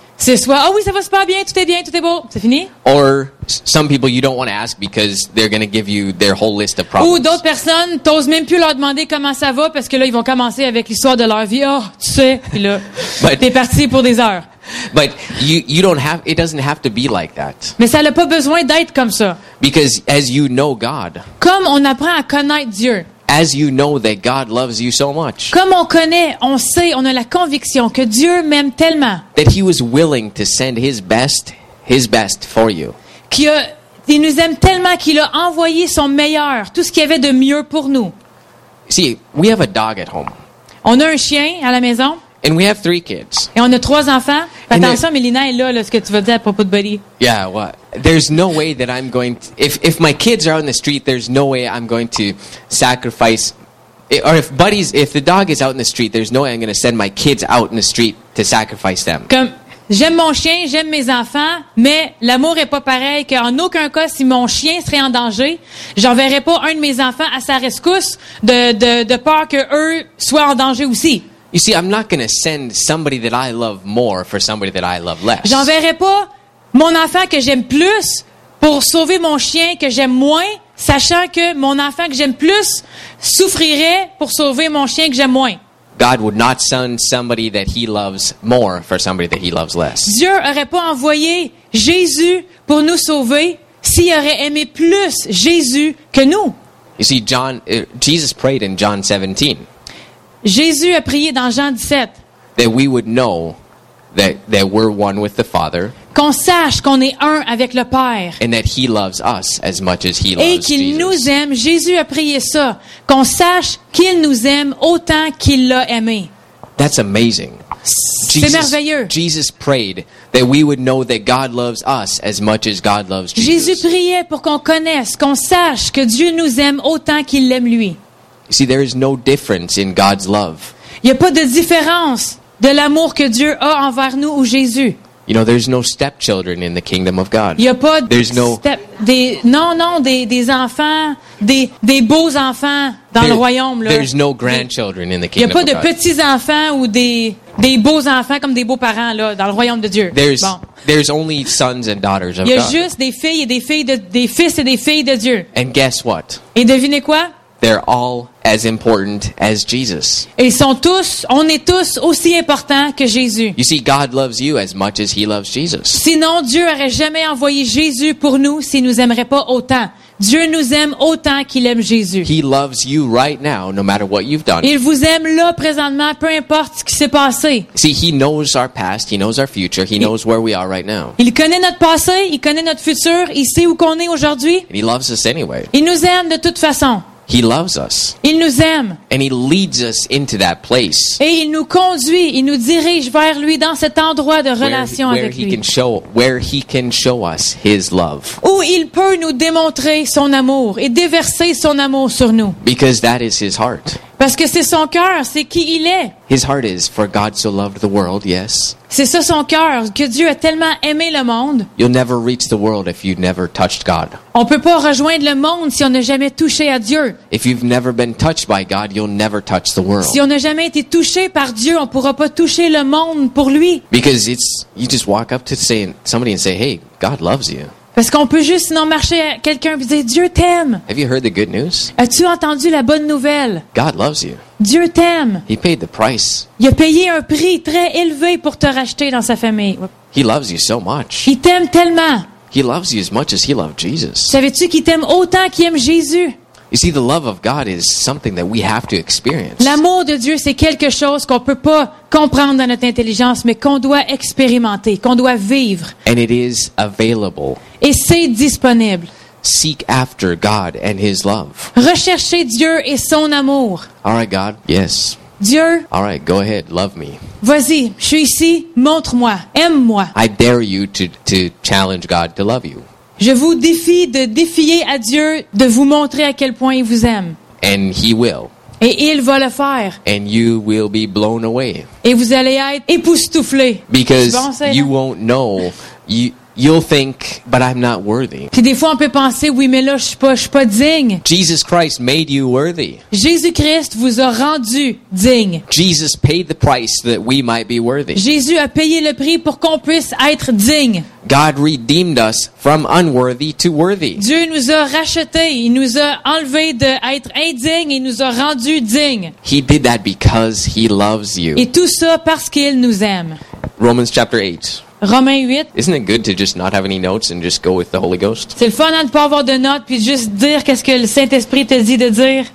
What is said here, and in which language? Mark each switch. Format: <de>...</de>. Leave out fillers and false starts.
<fr>C'est soit, oh oui, ça va super bien, tout est beau, c'est fini.</fr> <en>Or some people you don't want to ask because they're going to give you their whole list of problems.</en> <fr>Ou d'autres personnes, t'oses même plus leur demander comment ça va parce que là ils vont commencer avec l'histoire de leur vie, oh, tu sais, puis là</fr> <en>but,</en> <fr>t'es parti pour des heures.</fr> <en>But you don't have, it doesn't have to be like that.</en> <fr>Mais ça n'a pas besoin d'être comme ça.</fr> <en>Because as you know God.</en> <fr>Comme on apprend à connaître Dieu.</fr> <en>As you know that God loves you so much.</en> <fr>Comme on connaît, on sait, on a la conviction que Dieu m'aime tellement.</fr> <en>That he was willing to send his best for you.</en> <fr>Qu'il nous aime tellement qu'il a envoyé son meilleur, tout ce qu'il y avait de mieux pour nous.</fr> <en>See, we have a dog at home.</en> <fr>On a un chien à la maison.</fr> <en>And we have three kids.</en> <fr>Et on a trois enfants. Attention, Mélina est là, ce que tu vas dire à propos de Buddy.</fr> <en>Yeah, what? There's no way that I'm going to, if my kids are on the street, there's no way I'm going to sacrifice, or if the dog is out in the street, there's no way I'm going to send my kids out in the street to sacrifice them.</en> <fr>Comme, j'aime mon chien, j'aime mes enfants, mais l'amour est pas pareil, qu'en aucun cas, si mon chien serait en danger, j'enverrais pas un de mes enfants à sa rescousse de peur que eux soient en danger aussi.</fr> <en>You see, I'm not going to send somebody that I love more for somebody that I love less.</en> <fr>J'enverrai pas mon enfant que j'aime plus pour sauver mon chien que j'aime moins, sachant que mon enfant que j'aime plus souffrirait pour sauver mon chien que j'aime moins.</fr> <en>God would not send somebody that he loves more for somebody that he loves less.</en> <fr>Dieu aurait pas envoyé Jésus pour nous sauver s'il aurait aimé plus Jésus que nous.</fr> <en>You see, Jesus prayed in John 17.</en> <fr>Jésus a prié dans Jean 17</fr> <en>that we would know that we're one with the Father,</en> <fr>qu'on sache qu'on est un avec le Père,</fr> <en>and that he loves us as much as he</en> <fr>et</fr> <en>loves Jesus.</en> <fr>Et qu'il nous aime. Jésus a prié ça, qu'on sache qu'il nous aime autant qu'il l'a aimé.</fr> <en>That's amazing.</en> <fr>C'est merveilleux.</fr> <en>Jesus prayed that we would know that God loves us as much as God loves Jesus.</en> <fr>Jésus priait pour qu'on connaisse, qu'on sache que Dieu nous aime autant qu'il l'aime lui.</fr> <en>See, there is no difference in God's love.</en> <fr>Il y a pas de différence de l'amour que Dieu a envers nous ou Jésus.</fr> <en>You know, there's no stepchildren in the kingdom of God.</en> <fr>Il y a pas des enfants, des beaux enfants dans le royaume là.</fr> <en>There's no grandchildren in the kingdom.</en> <fr>Il y a pas de petits enfants ou des beaux enfants comme des beaux parents là dans le royaume de Dieu.</fr> <en>There's,</en> <fr>bon.</fr> <en>There's only sons and daughters of God.</en> <fr>Il y a juste des fils et des filles de Dieu.</fr> <en>And guess what?</en> <fr>Et devinez quoi?</fr> <en>they're all as important as Jesus.</en> <fr>Ils sont tous, on est tous aussi importants que Jésus.</fr> <en>You see, God loves you as much as He loves Jesus.</en> <fr>Sinon, Dieu aurait jamais envoyé Jésus pour nous s'il nous aimerait pas autant. Dieu nous aime autant qu'il aime Jésus.</fr> <en>He loves you right now, no matter what you've done.</en> <fr>Il vous aime là présentement, peu importe ce qui s'est passé.</fr> <en>See, He knows our past, He knows our future, He knows where we are right now.</en> <fr>Il connaît notre passé, il connaît notre futur, il sait où qu'on est aujourd'hui.</fr> <en>And He loves us anyway.</en> <fr>Il nous aime de toute façon.</fr> <en>He loves us.</en> <fr>Il nous aime.</fr> <en>And He leads us into that place.</en> <fr>Et il nous conduit, il nous dirige vers lui dans cet endroit de relation avec lui.</fr> <en>Where He can show, where He can show us His love.</en> <fr>Où il peut nous démontrer son amour et déverser son amour sur nous.</fr> <en>Because that is His heart.</en> <fr>Parce que c'est son cœur, c'est qui il est.</fr> <en>His heart is for God so loved the world, yes.</en> <fr>C'est ça son cœur, que Dieu a tellement aimé le monde.</fr> <en>You'll never reach the world if you've never touched God.</en> <fr>On peut pas rejoindre le monde si on n'a jamais touché à Dieu.</fr> <en>If you've never been touched by God, you'll never touch the world.</en> <fr>Si on n'a jamais été touché par Dieu, on pourra pas toucher le monde pour lui.</fr> <en>Because it's you just walk up to say, somebody and say, "Hey, God loves you."</en> <fr>Parce qu'on peut juste sinon marcher à quelqu'un et dire Dieu t'aime.</fr> <en>Have you heard the good news?</en> <fr>As-tu entendu la bonne nouvelle?</fr> <en>God loves you.</en> <fr>Dieu t'aime.</fr> <en>He paid the price.</en> <fr>Il a payé un prix très élevé pour te racheter dans sa famille.</fr> <en>He loves you so much.</en> <fr>Il t'aime tellement.</fr> <en>He loves you as much as He loved Jesus.</en> <fr>Savais-tu qu'il t'aime autant qu'il aime Jésus?</fr> <en>You see, the love of God is something that we have to experience.</en> <fr>L'amour de Dieu, c'est quelque chose qu'on peut pas comprendre dans notre intelligence, mais qu'on doit expérimenter, qu'on doit vivre.</fr> <en>And it is available.</en> <fr>Et c'est disponible.</fr> <en>Seek after God and His love.</en> <fr>Recherchez Dieu et son amour.</fr> <en>All right, God. Yes.</en> <fr>Dieu.</fr> <en>All right, go ahead. Love me.</en> <fr>Vas-y, je suis ici. Montre-moi. Aime-moi.</fr> <en>I dare you to challenge God to love you.</en> <fr>Je vous défie de défier à Dieu de vous montrer à quel point il vous aime.</fr> <en>And He will.</en> <fr>Et il va le faire.</fr> <en>And you will be blown away.</en> <fr>Et vous allez être époustouflé.</fr> <en>Because you won't know. You'll think, but I'm not worthy.</en> <fr>Puis des fois on peut penser, oui mais là je suis pas digne.</fr> <en>Jesus Christ made you worthy.</en> <fr>Jésus-Christ vous a rendu digne.</fr> <en>Jesus paid the price that we might be worthy.</en> <fr>Jésus a payé le prix pour qu'on puisse être digne.</fr> <en>God redeemed us from unworthy to worthy.</en> <fr>Dieu nous a rachetés, il nous a enlevés de être indignes et nous a rendus dignes.</fr> <en>He did that because He loves you.</en> <fr>Et tout ça parce qu'il nous aime.</fr> <en>Romans chapter 8.</en> <fr>Romains 8.</fr> <en>Isn't it good to just not have any notes and just go with the Holy Ghost?</en> <fr>C'est le fun de pas avoir de notes puis juste dire qu'est-ce que le Saint-Esprit te dit de dire.</fr>